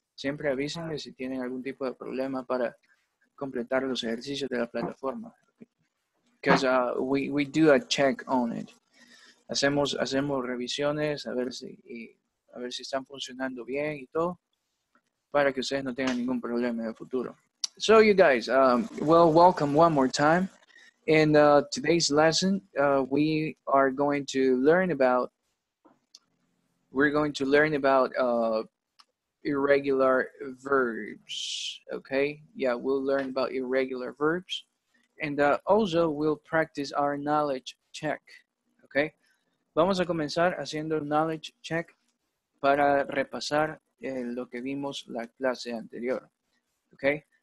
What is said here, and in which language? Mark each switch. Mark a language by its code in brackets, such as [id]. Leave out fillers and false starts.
[es] Siempre avísenme si tienen algún tipo de problema para completar los ejercicios de la plataforma. [en] Because we do a check on it. [es] Hacemos revisiones a ver si están funcionando bien y todo para que ustedes no tengan ningún problema en el futuro. [en] So you guys, well, welcome one more time. In today's lesson, we're going to learn about irregular verbs, okay? Yeah, we'll learn about irregular verbs. And also, we'll practice our knowledge check, okay? [es] Vamos a comenzar haciendo knowledge check para repasar lo que vimos la clase anterior, okay?